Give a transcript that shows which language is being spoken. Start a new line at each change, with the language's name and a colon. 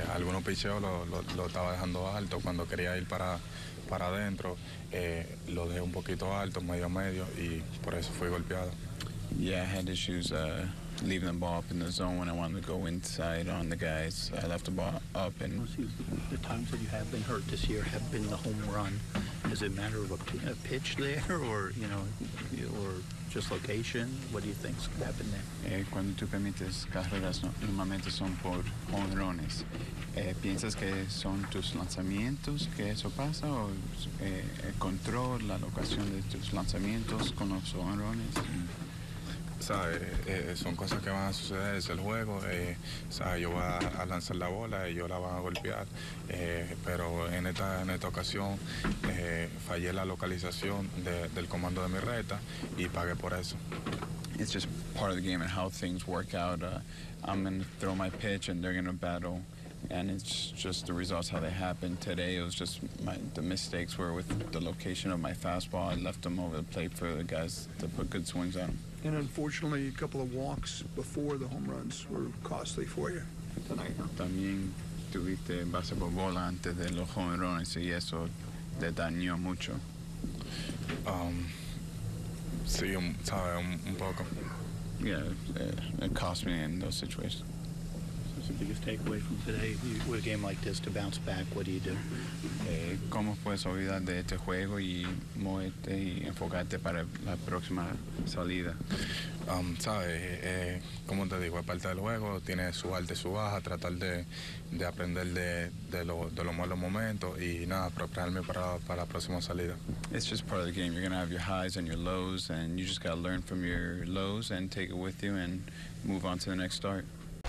Spanish: Algunos picheos lo estaba dejando alto cuando quería ir para adentro. Lo dejé un poquito alto, medio a medio, y por eso fui golpeado.
English: Yeah, I had issues leaving the ball up in the zone when I wanted to go inside on the guys. I left the ball up and... The times that you have been hurt this year have been the home run. Is it a matter of a pitch there or, you know, or just location? What do you think's happened there?
Spanish: Cuando tú permites carreras, normalmente son por honrones. ¿Piensas que son tus lanzamientos que eso pasa o el control, la locación de tus lanzamientos con los honrones? Son cosas que van a suceder, es el juego. Yo voy a lanzar la bola y ellos la van a golpear. Pero en esta ocasión fallé la localización del comando de mi reta y pagué por eso.
English: It's just part of the game and how things work out. I'm going to throw my pitch and they're going to battle. And it's just the results, how they happened today. It was just the mistakes were with the location of my fastball. I left them over the plate for the guys to put good swings on. And unfortunately, a couple of walks before the home runs were costly for you tonight.
Spanish: También tuviste base por bola antes de los home runs, y eso te dañó mucho. Sí, sabe, un poco.
English: Yeah, it cost me in those situations. What's the biggest takeaway from today, with a game like this, to bounce back? What do you do?
Spanish: ¿Cómo puedes olvidar de este juego y moverte y enfocarte para la próxima salida? Como te digo, aparte del juego, tiene su alta y su baja, tratar de aprender de los malos momentos y nada, prepararme para la próxima salida.
English: It's just part of the game. You're going to have your highs and your lows, and you just got to learn from your lows and take it with you and move on to the next start.